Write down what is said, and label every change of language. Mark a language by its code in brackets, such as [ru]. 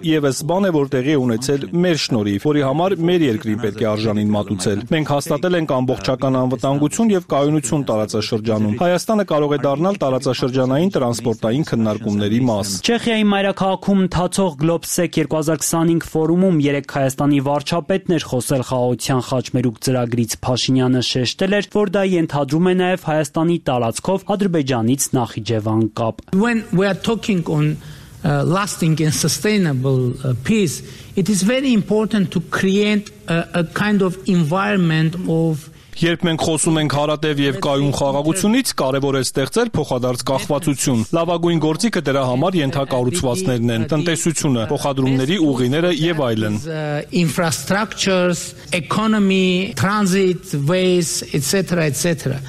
[hy] եւս բան է, որ տեղի է ունեցել մեր շնորհիվ, որի համար մեր երկրին պետք է արժանին մատուցել։ Մենք հաստատել ենք ամբողջական անվտանգություն եւ կայունություն տարածաշրջանում։ Հայաստանը կարող է դառնալ տարածաշրջանային տրանսպորտային քննարկումների մաս։ Չեխիայի մայրաքաղաքում ընթացող Գլոբսեք 2025 ֆորումում երեք հայաստանի վարչապետներ խոսել խաղաղության խաչմերուկ ծրագրից, Փաշինյանը շեշտել էր, որ դա ենթադրում է նաև Հայաստանի տարածքով Ադրբեջանից Նախիջևան կապ։ [en] When we are talking on lasting and sustainable peace, it is very important to create a kind of environment of [hy] Երբ մենք խոսում ենք հարատև և կայուն խաղաղությունից, կարևոր է ստեղծել փոխադարձ կախվածություն։ Լավագույն գործիքը դրա համար ենթակառուցվածներն են՝ տնտեսությունը, փոխադրումների ուղիները և այլն։ [en] Infrastructures, economy, transit, ways, etc., etc.